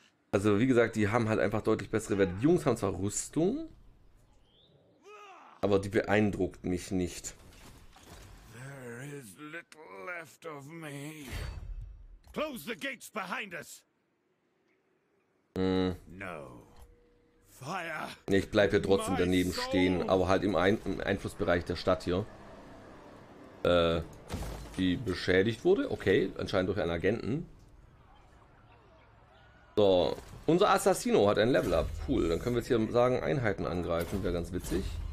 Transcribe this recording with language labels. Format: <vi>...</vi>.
<de>Also wie gesagt, die haben halt einfach deutlich bessere Werte. Die Jungs haben zwar Rüstung, aber die beeindruckt mich nicht.</de> <en>There is little left of me. Close the gates behind us. No.</en> <de>Ich bleib hier trotzdem daneben stehen, aber halt im Einflussbereich der Stadt hier. Die beschädigt wurde. Okay, anscheinend durch einen Agenten. So, unser Assassino hat ein Level-Up. Cool, dann können wir jetzt hier sagen, Einheiten angreifen. Wäre ganz witzig.</de>